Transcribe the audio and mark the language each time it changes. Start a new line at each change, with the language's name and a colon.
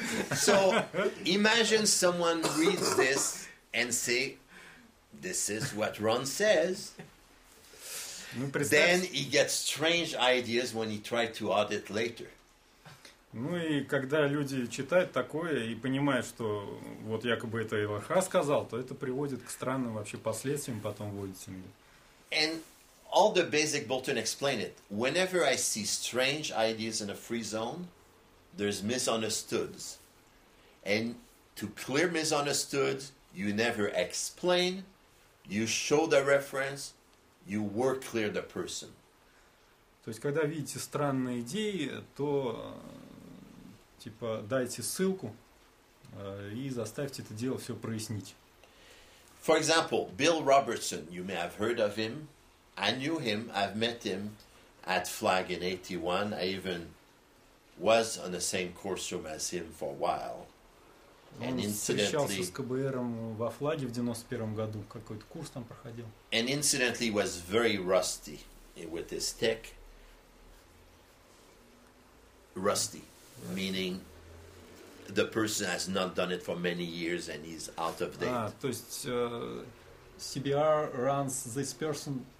English: So imagine someone reads this and say, this is what Ron says. Ну, then he gets strange ideas when he tries to audit later.
Russian: Ну и когда люди читают такое и понимают, что вот якобы это Илаха сказал, то это приводит к странным вообще последствиям потом в аудитинге.
English: And all the basic Bolton explain it. Whenever I see strange ideas in a free zone, there's misunderstoods. And to clear misunderstoods, you never explain, you show the reference, you work clear the person.
Russian: То есть когда видите странные идеи, то... Типа, дайте ссылку и заставьте это дело все прояснить.
English: For example, Bill Robertson, you may have heard of him. I knew him, I've met him at Flag in 81. I even was on the same course room as him for a while.
Russian: And он встречался с КБРом во Флаге в 91 году. Какой-то курс там проходил.
English: And incidentally, was very rusty with his tech. Rusty. Meaning, the person has not done it for many years and he's out of date. Ah, то есть CBR runs this person.